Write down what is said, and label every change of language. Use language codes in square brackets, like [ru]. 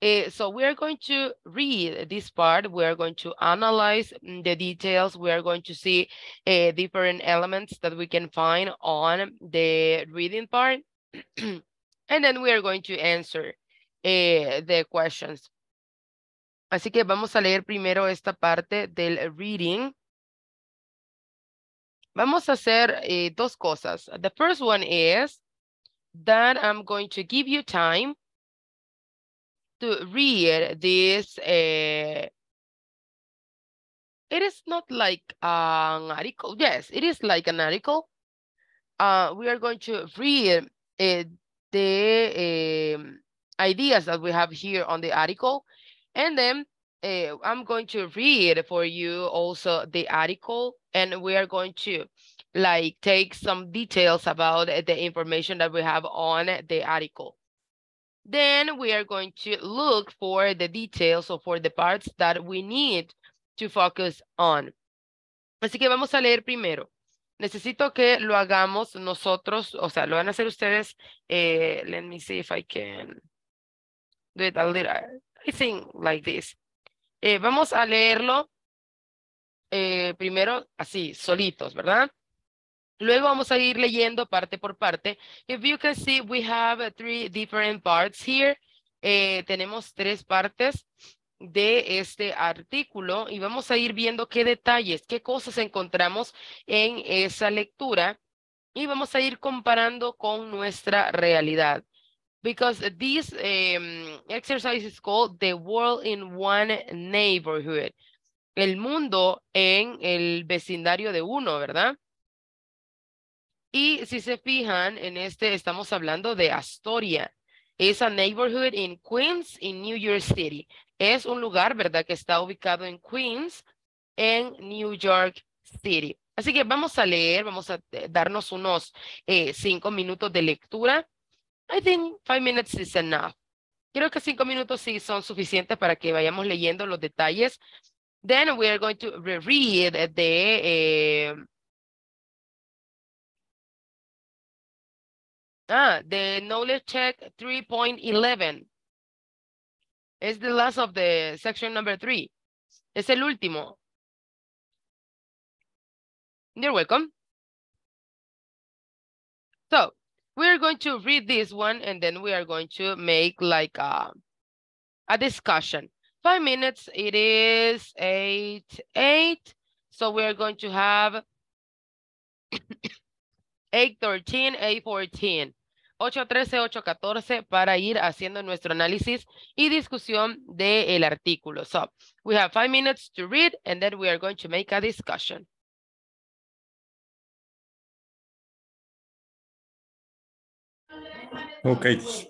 [en] So we are going to read this part. We are going to analyze the details. We are going to see different elements that we can find on the reading part. And then we are going to answer the questions. [es] Así que vamos a leer primero esta parte del reading. Vamos a hacer dos cosas. [en] The first one is that I'm going to give you time to read this. It is not like an article. Yes, it is like an article. We are going to read the ideas that we have here on the article. And then I'm going to read for you also the article, and we are going to like take some details about the information that we have on the article. Then we are going to look for the details or for the parts that we need to focus on. [es] Así que vamos a leer primero. Necesito que lo hagamos nosotros, o sea, lo van a hacer ustedes. [en] Let me see if I can do it a little. I think like this. [es] Vamos a leerlo primero así, solitos, ¿verdad? Luego vamos a ir leyendo parte por parte. [en] If you can see, we have three different parts here. [es] Tenemos tres partes de este artículo y vamos a ir viendo qué detalles, qué cosas encontramos en esa lectura y vamos a ir comparando con nuestra realidad. [en] Because this exercise is called The World in One Neighborhood. [es] El mundo en el vecindario de uno, ¿verdad? Y si se fijan, en este estamos hablando de Astoria. [en] It's a neighborhood in Queens, in New York City. [es] Es un lugar, ¿verdad?, que está ubicado en Queens, en New York City. Así que vamos a leer, vamos a darnos unos cinco minutos de lectura. [en] I think 5 minutes is enough. [es] Creo que 5 minutos sí son suficientes para que vayamos leyendo los detalles. [en] Then we are going to reread the the knowledge check 3.11. It's the last of the section number 3. [es] Es el último. [en] You're welcome. So we are going to read this one and then we are going to make like a discussion. 5 minutes, it is 8:08. So we are going to have 8:13, 8:14. [es] 8:13, 8:14 para ir haciendo nuestro análisis y discusión del artículo. [en] So we have 5 minutes to read and then we are going to make a discussion. Okay.